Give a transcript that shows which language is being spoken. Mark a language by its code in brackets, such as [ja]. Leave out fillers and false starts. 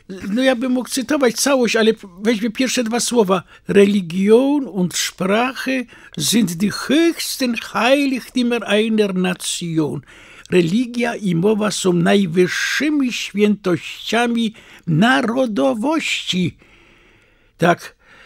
[pl] No ja bym mógł cytować całość, ale weźmy pierwsze dwa słowa. [de] Religion und Sprache sind die höchsten Heiligtümer einer Nation. [pl] Religia i mowa są najwyższymi świętościami narodowości. Tak.